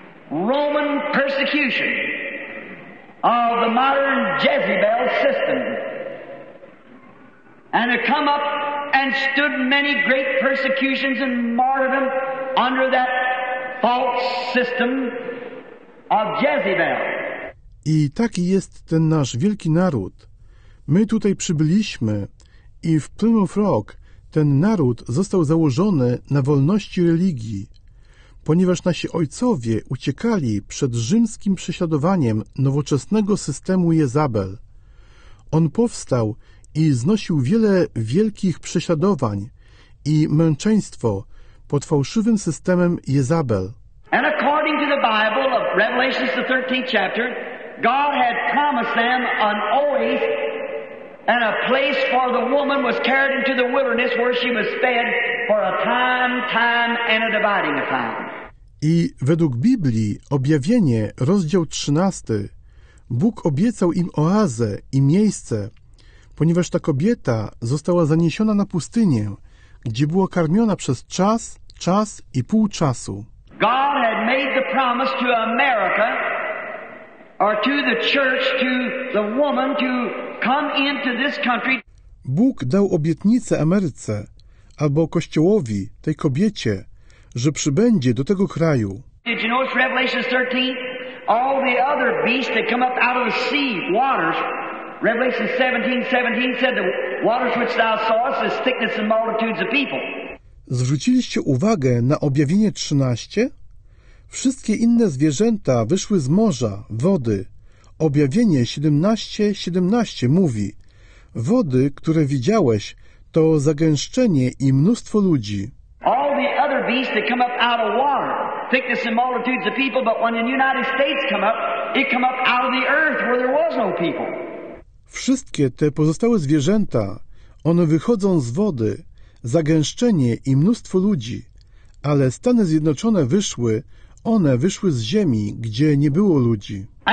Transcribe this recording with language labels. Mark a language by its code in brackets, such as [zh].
[en] Roman persecution of the modern Jezebel system and had come up and stood many great persecutions and martyrdom under that false system of Jezebel. [pl] I taki jest ten nasz wielki naród. My tutaj przybyliśmy i w Plymouth Rock ten naród został założony na wolności religii, ponieważ nasi ojcowie uciekali przed rzymskim prześladowaniem nowoczesnego systemu Jezabel. On powstał i znosił wiele wielkich prześladowań i męczeństwo pod fałszywym systemem Jezabel. [en] And according to the Bible of Revelation, the 13th chapter, God had promised them an oasis and a place for the woman was carried into the wilderness where she was fed for a time and a dividing time. [pl] I według Biblii, objawienie, rozdział 13, Bóg obiecał im oazę i miejsce, ponieważ ta kobieta została zaniesiona na pustynię, gdzie była karmiona przez czas i pół czasu. [en] God had made the promise to America or to the church, to the woman to come into this country. [pl] Bóg dał obietnicę Ameryce albo Kościołowi, tej kobiecie, że przybędzie do tego kraju. [en] Did you notice Revelation 13? All the other beasts that come up out of the sea, waters. Revelation 17:17 said, the waters which thou sawest is thickness and multitudes of people. [pl] Zwróciliście uwagę na objawienie 13? Wszystkie inne zwierzęta wyszły z morza, wody. Objawienie 17:17 mówi, wody, które widziałeś, to zagęszczenie i mnóstwo ludzi. [en] All the other beasts that come up out of water, thickness and multitudes of people, but when the United States come up, it come up out of the earth where there was no people. [pl] Wszystkie te pozostałe zwierzęta, one wychodzą z wody, zagęszczenie i mnóstwo ludzi, ale Stany Zjednoczone wyszły, one wyszły z ziemi, gdzie nie było ludzi.